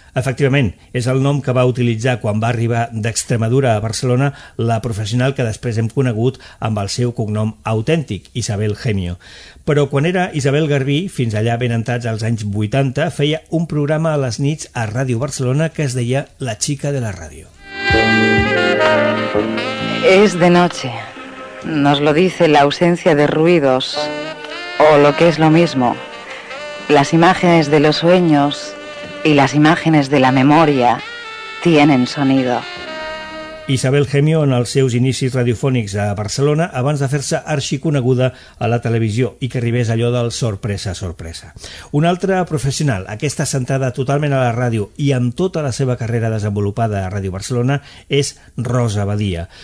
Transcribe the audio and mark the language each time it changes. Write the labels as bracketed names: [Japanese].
[Catalan] Efectivament, és el nom que va utilitzar quan va arribar d'Extremadura a Barcelona la professional que després hem conegut amb el seu cognom autèntic, Isabel Gemio. Però quan era Isabel Garbí, fins allà ben entrats als anys 80, feia un programa a les nits a Ràdio Barcelona que es deia La Chica de la Ràdio. [Spanish] Es de noche. Nos lo dice la ausencia de ruidos, o lo que es lo mismo, las imágenes de los sueños y las imágenes de la memoria tienen sonido. [Catalan] Isabel Gemio, en els seus inicis radiofònics a Barcelona, abans de fer-se arxiconeguda a la televisió i que arribés allò del sorpresa, sorpresa. Una altra professional, aquesta centrada totalment a la ràdio i amb tota la seva carrera desenvolupada a Ràdio Barcelona, és Rosa Badia.